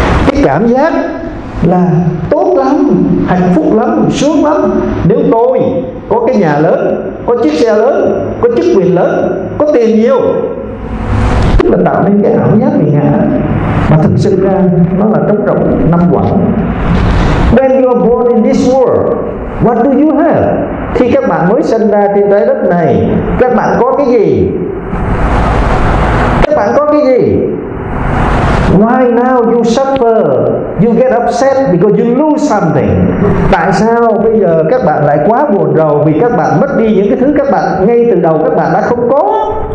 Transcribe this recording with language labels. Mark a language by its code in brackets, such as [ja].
[vi] Cái cảm giác là tốt lắm, hạnh phúc lắm, sướng lắm. Nếu tôi có cái nhà lớn, có chiếc xe lớn, có chức quyền lớn, có tiền nhiều, tức là tạo nên cái ảo giác mình hả? Mà thực sự ra nó là trống rỗng, năm quả. [en] When you are born in this world, what do you have? [vi] Khi các bạn mới sinh ra trên trái đất này, các bạn có cái gì? Các bạn có cái gì? [en] Why now you suffer? You get upset because you lose something. [vi] Tại sao bây giờ các bạn lại quá buồn rầu vì các bạn mất đi những cái thứ các bạn ngay từ đầu các bạn đã không có?